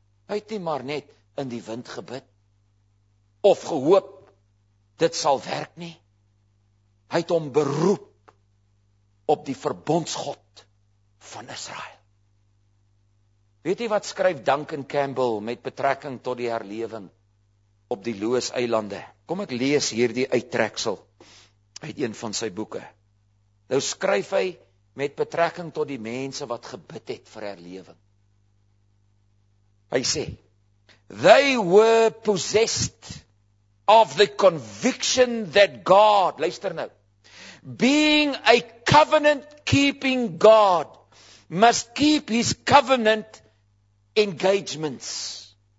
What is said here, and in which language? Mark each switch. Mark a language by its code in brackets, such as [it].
[af] Hy het nie maar net in die wind gebid, of gehoop, dit sal werk nie. Hy het hom beroep op die verbondsgod van Israël. Weet jy wat skryf Duncan Campbell met betrekking tot die herlewing op die Looseilande? Kom ek lees hierdie uittreksel uit een van sy boeke. Nou skryf hy met betrekking tot die mense wat gebid het vir herlewing. Hy sê, [en] "They were possessed of the conviction that God," [af] luister nou, [en] "being a covenant-keeping God, must keep his covenant engagements.